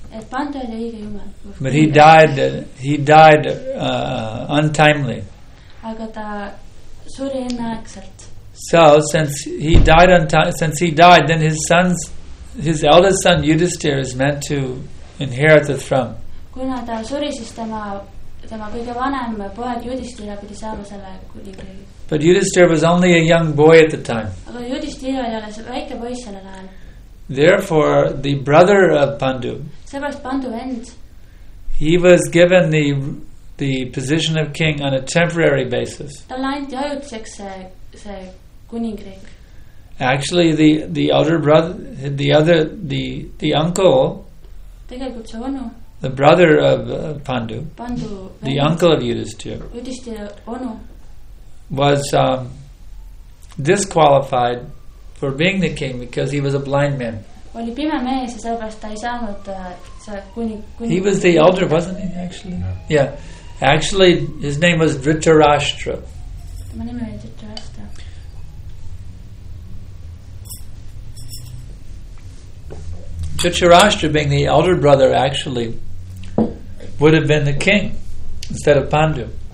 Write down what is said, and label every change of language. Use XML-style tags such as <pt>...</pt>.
<et>Pandu oli õige jumal.</et> <en>But he died untimely.</en> <et>Aga ta suri enneaegselt.</et> <en>So since he died, then his eldest son Yudhisthira is meant to inherit the throne.</en> <et>Kuna ta suri, siis tema kõige vanem poeg Yudhisthira pidi saama selle kuningriigi.</et> <en>But Yudhisthira was only a young boy at the time.</en> <et>Aga Yudhisthira oli alles väike poiss sellel ajal.</et> <en>Therefore, the brother of Pandu.</en> <et>Sellest Pandu vend.</et> <en>He was given the position of king on a temporary basis.</en> <et>Tal anti ajutiseks see kuningriik.</et> <en>Actually, the uncle.</en> <et>Tegelikult see onu.</et> <en>The brother of Pandu.</en> <et>Pandu.</et> <en>The uncle of Yudhisthira.</en> <et>Yudhisthira onu.</et> <en>Was disqualified for being the king because he was a blind man.</en> <et>oli pime mees ja sellepärast ta ei saanud kuni</et> <en>he was the elder, wasn't he, actually? Yeah. Actually, his name was Dhritarashtra.</en> <et>Tema nimi oli Dhritarashtra.</et> <en>Dhritarashtra being the elder brother actually would have been the king instead of Pandu.</en>